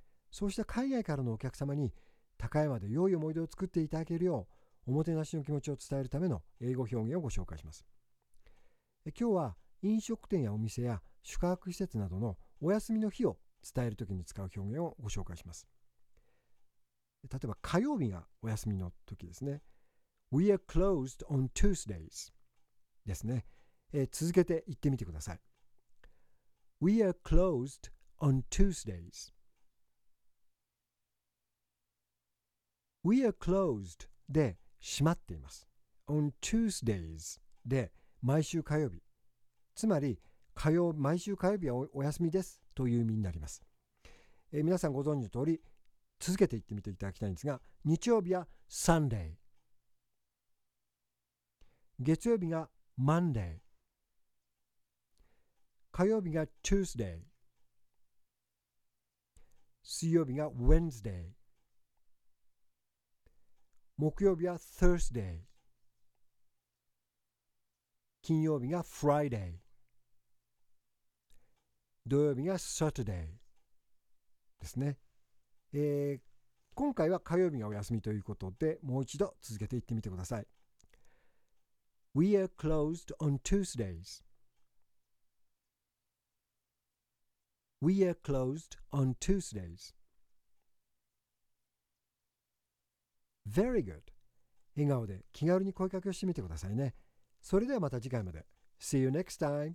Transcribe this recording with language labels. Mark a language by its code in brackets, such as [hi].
[ja] そうした海外からのお客様に高山で良い思い出を作っていただけるよう、おもてなしの気持ちを伝えるための英語表現をご紹介します。今日は飲食店やお店や宿泊施設などのお休みの日を伝えるときに使う表現をご紹介します。例えば火曜日がお休みの時ですね。 [en] We are closed on Tuesdays [ja] ですね。 [en] 続けて言ってみてください。 We are closed on Tuesdays. We are closed [ja] で閉まっています。 [en] On Tuesdays [ja] で毎週火曜日。つまり毎週火曜日はお休みですという意味になります。皆さんご存知の通り、続けて言ってみていただきたいんですが、日曜日は Sunday、月曜日が Monday、 火曜日が Tuesday、 水曜日が Wednesday、 木曜日は Thursday、 金曜日が Friday、 土曜日が Saturday ですね。今回は火曜日がお休みということで、もう一度続けて言ってみてください。 [en] We are closed on Tuesdays. We are closed on Tuesdays. Very good. [ja] 笑顔で気軽に声かけをしてみてくださいね。それではまた次回まで。 [en] See you next time.